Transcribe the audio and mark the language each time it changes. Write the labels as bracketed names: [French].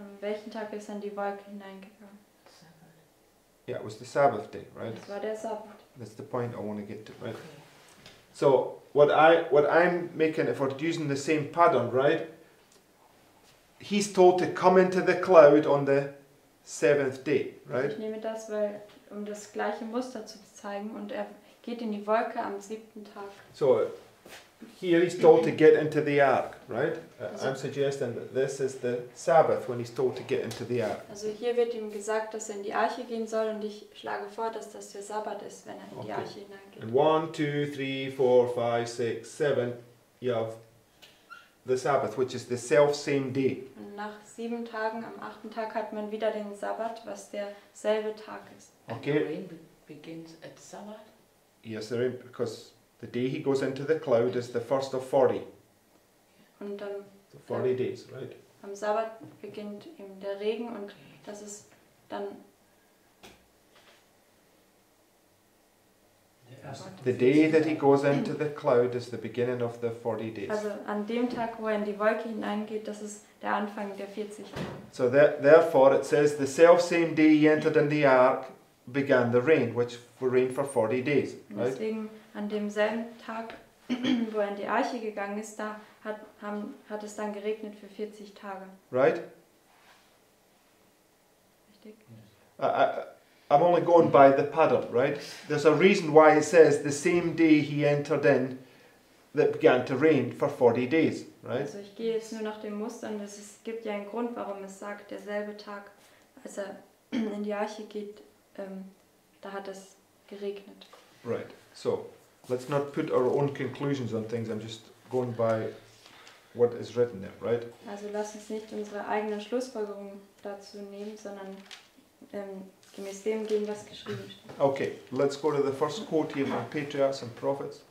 [German] Welchen Tag ist er in die Wolke hineingegangen? [English] Sabbath. Yeah, it was the Sabbath day, right? [German] Es war der Sabbat. [English] That's the point I want to get to, right? Okay. So what I'm making, if we're using the same pattern, right? He's told to come into the cloud on the 7th day, right? [German] Ich nehme das, weil um das gleiche Muster zu zeigen, und er geht in die Wolke am 7. Tag. [English] So, here he's told to get into the ark, right? Also, I'm suggesting that this is the Sabbath when he's told to get into the ark. [German] Also hier wird ihm gesagt, dass er in die Arche gehen soll, und ich schlage vor, dass das der Sabbat ist, wenn er in die Arche hineingeht. [English] And 1, 2, 3, 4, 5, 6, 7, you have the Sabbath, which is the selfsame day. [German] Und nach 7 Tagen, am 8. Tag, hat man wieder den Sabbat, was derselbe Tag ist. [English] Okay. And the rain begins at Sabbath? Yes, the rain, because the day he goes into the cloud is the first of 40. [German] Und, [English] so 40 days, right? [German] Am Sabbat beginnt eben der Regen, und das ist dann [English] the day that he goes into the cloud is the beginning of the 40 days. [German] Also an dem Tag, wo er in die Wolke hineingeht, das ist der Anfang der 40 Tage. [English] So that, therefore it says the selfsame day he entered in the ark began the rain, which rained for 40 days. Right? [German] Deswegen an demselben Tag, wo er in die Arche gegangen ist, da hat es dann geregnet für 40 Tage. [English] Right? [German] Richtig? [English] I'm only going by the pattern, right? There's a reason why it says the same day he entered in that began to rain for 40 days, right? [German] Also ich gehe jetzt nur nach dem Muster, und es gibt ja einen Grund, warum es sagt, derselbe Tag, als er in die Arche geht, da hat es geregnet. [English] Right, so let's not put our own conclusions on things, I'm just going by what is written there, right? [German] Also lass uns nicht unsere eigenen Schlussfolgerungen dazu nehmen, sondern gemäß dem gehen, was geschrieben steht. [English] Okay, let's go to the first quote here from Patriarchs and Prophets.